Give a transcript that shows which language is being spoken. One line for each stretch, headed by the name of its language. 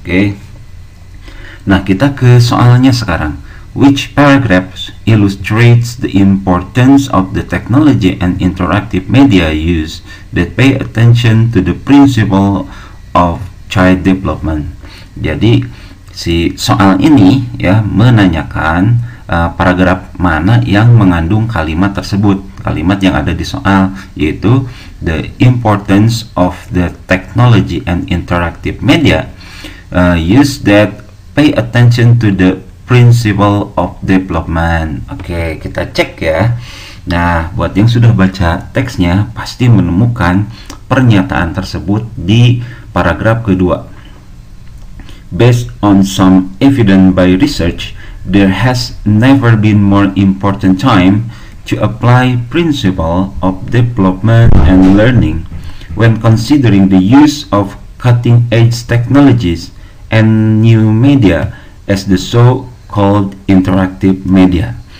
Indonesian: Oke, nah kita ke soalnya sekarang.
English: Which paragraph illustrates the importance of the technology and interactive media use that pay attention to the principle of child development?
Indonesian: Jadi si soal ini ya menanyakan paragraf mana yang mengandung kalimat tersebut, kalimat yang ada di soal, yaitu
English: the importance of the technology and interactive media use that pay attention to the principle of development.
Indonesian: Oke, kita cek ya. Nah, buat yang sudah baca teksnya pasti menemukan pernyataan tersebut di paragraf kedua.
English: Based on some evidence by research, there has never been more important time to apply principle of development and learning when considering the use of cutting-edge technologies and new media as the so called interactive media.